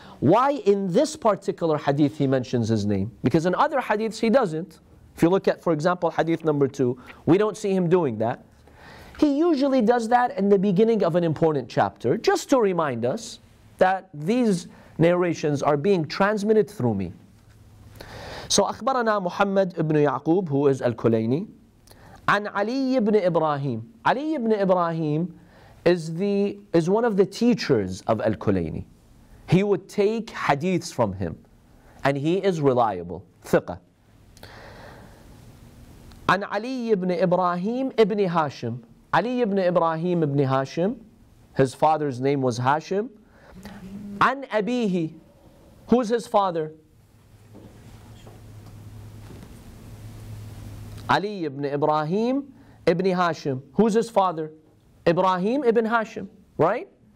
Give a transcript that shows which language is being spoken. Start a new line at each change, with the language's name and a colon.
English: Why in this particular hadith he mentions his name? Because in other hadiths he doesn't. If you look at, for example, hadith number 2, we don't see him doing that. He usually does that in the beginning of an important chapter, just to remind us that these narrations are being transmitted through me.
Arabic: So, أخبرنا محمد ابن يعقوب,
English: who is Al-Kulayni,
Arabic: عن علي ابن إبراهيم.
English: علي ابن إبراهيم is one of the teachers of Al-Kulayni. He would take hadiths from him, and he is reliable, ثقة.
Arabic: عن علي بن إبراهيم ابن هاشم. علي بن إبراهيم ابن هاشم.
English: His father's name was هاشم.
Arabic: عن أبيه.
English: Who's his father?
Arabic: علي بن إبراهيم ابن هاشم.
English: Who's his father?
Arabic: إبراهيم ابن هاشم. Right?